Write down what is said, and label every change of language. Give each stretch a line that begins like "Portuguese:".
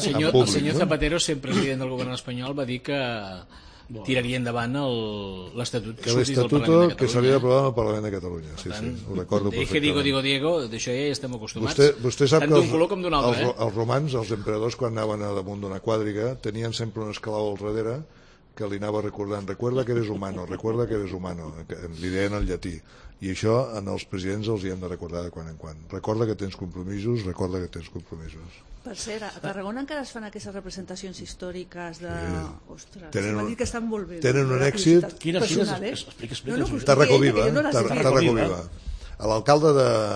Catalan: en públic. El senyor Zapatero, sent president del govern espanyol, va dir que tiraria endavant l'Estatut que sortís del Parlament de Catalunya. Que s'havia d'aprovar en el Parlament de Catalunya. Sí, tant, sí, ho recordo perfectament. Que digo, Diego, d'això ja estem acostumats. Vostè sap tant que d'un color com d'un altre. Els romans, els emperadors, quan anaven a damunt d'una quàdriga, tenien sempre un esclau al darrere que li anava recordant.
Spanish: Recuerda que eres humano, recuerda que eres humano.
Catalan: Li deien el llatí. I això, en els presidents, els hi hem de recordar de quan en quan. Recorda que tens compromisos, recorda que tens compromisos. Per cert, a Tarragona encara es fan aquestes representacions històriques de... Sí. Ostres, m'ha dit que estan molt bé. Tenen un èxit personal, Tarracoviva, Tarracoviva. L'alcalde de...